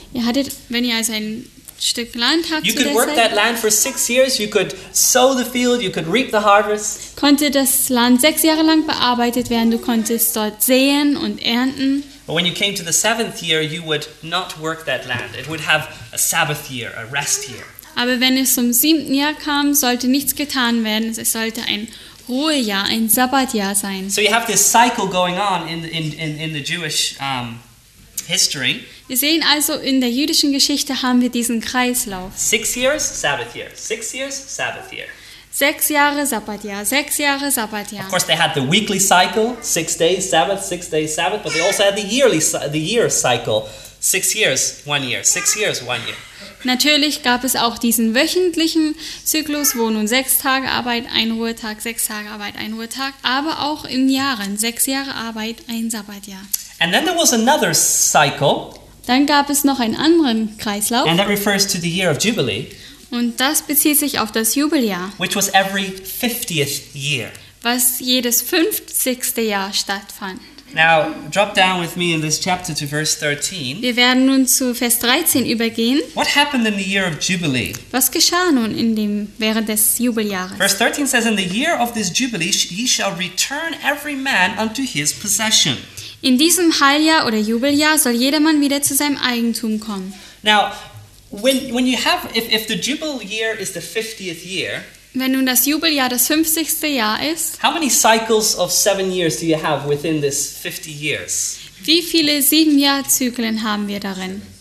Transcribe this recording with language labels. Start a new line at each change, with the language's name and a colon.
German: Ihr hattet, wenn ihr also ein Stück Land habt,
English: you could work that land for 6 years. You could sow the field. You could reap the harvest.
German: Konnte das Land 6 Jahre lang bearbeitet werden. Du konntest dort säen und ernten.
English: But when you came to the 7th year, you would not work that land. It would have a Sabbath year, a rest year.
German: Aber wenn es zum 7. Jahr kam, sollte nichts getan werden. Es sollte ein Ruhejahr, ein Sabbatjahr sein.
English: So you have this cycle going on in the Jewish history.
German: Wir sehen also, in der jüdischen Geschichte haben wir diesen Kreislauf.
English: 6 years, Sabbath year. 6 years, Sabbath year.
German: 6 Jahre Sabbatjahr, 6 Jahre Sabbatjahr.
English: Of course they had the weekly cycle, 6 days Sabbath, 6 days Sabbath, but they also had the year cycle, 6 years, 1 year, 6 years, 1 year.
German: Natürlich gab es auch diesen wöchentlichen Zyklus, wo nun 6 Tage Arbeit, ein Ruhetag, 6 Tage Arbeit, ein Ruhetag, aber auch in Jahren, 6 Jahre Arbeit, ein Sabbatjahr.
English: And then there was another cycle.
German: Dann gab es noch einen anderen Kreislauf.
English: And that refers to the year of Jubilee.
German: Und das bezieht sich auf das Jubeljahr.
English: Which was every 50th year.
German: Was jedes 50. Jahr stattfand.
English: Now, drop down with me in this chapter to verse 13.
German: Wir werden nun zu Vers 13 übergehen.
English: What happened in the year of Jubilee?
German: Was geschah nun in dem, während des Jubeljahres?
English: Verse 13 says, in the year of this Jubilee, ye shall return every man unto his possession.
German: In diesem Heiljahr oder Jubeljahr soll jedermann wieder zu seinem Eigentum kommen.
English: Now, when you have, if the Jubilee year is the 50th year,
German: wenn nun das Jubeljahr das 50. Jahr ist,
English: how many cycles of 7 years do you have within this 50 years?
German: Wie viele 7-Jahr-Zyklen haben wir darin?